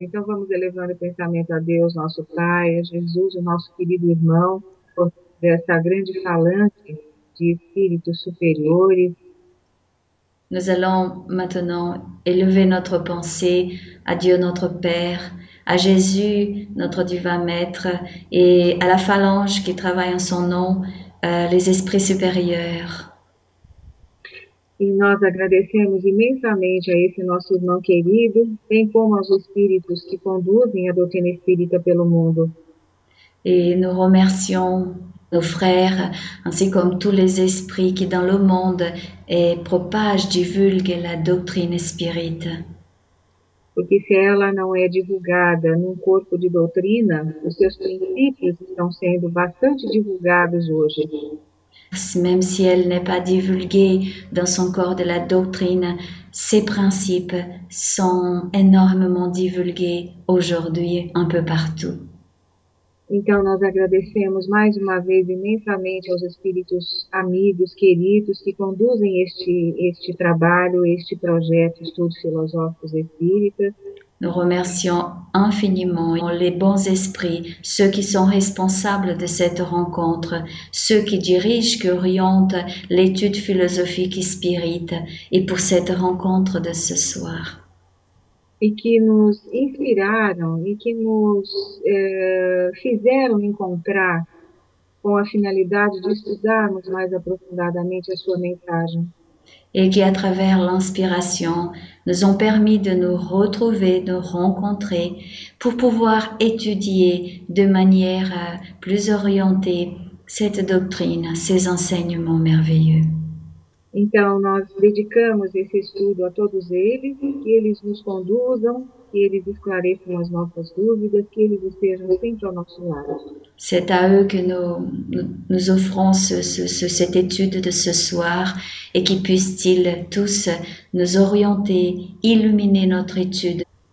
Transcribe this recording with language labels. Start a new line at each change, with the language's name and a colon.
Portuguese: Então vamos elevar o pensamento a Deus, nosso Pai, a Jesus, o nosso querido irmão, por essa grande falange de espíritos superiores.
French: Nous allons maintenant élever notre pensée à Dieu notre Père, à Jésus notre divin Maître et à la phalange qui travaille en son nom, les esprits supérieurs.
Portuguese: E nós agradecemos imensamente a esse nosso irmão querido, bem como aos espíritos que conduzem a doutrina espírita pelo mundo.
French: Et nous remercions nos frères, ainsi comme tous les esprits qui dans le monde et propagent, divulguent la doctrine spirite.
Portuguese: Porque se ela não é divulgada num corpo de doutrina, os seus princípios estão sendo bastante divulgados hoje.
French: Même si elle n'est pas divulguée dans son corps de la doctrine, ses principes sont énormément divulgués aujourd'hui un peu partout.
Portuguese: Então, nós agradecemos mais uma vez imensamente aos espíritos amigos, queridos, que conduzem este trabalho, este projeto, Estudos Filosóficos Espíritas.
French: Nous remercions infiniment les bons esprits, ceux qui sont responsables de cette rencontre, ceux qui dirigent, qui orientent l'étude philosophique et spirite, et pour cette rencontre de ce soir.
Portuguese: E que nos inspiraram e que nos fizeram encontrar com a finalidade de estudarmos mais aprofundadamente a sua mensagem.
French: Et qui, à travers l'inspiration, nous ont permis de nous retrouver, de nous rencontrer, pour pouvoir étudier de manière plus orientée cette doctrine, ces enseignements merveilleux.
Portuguese: Então, nós dedicamos esse estudo a todos eles, que eles nos conduzam, que eles esclareçam as nossas dúvidas, que eles estejam sempre ao nosso lado.
French: C'est à eux que nous offrons cette étude de ce soir et qu'ils puissent-ils tous nous orienter, illuminer notre étude.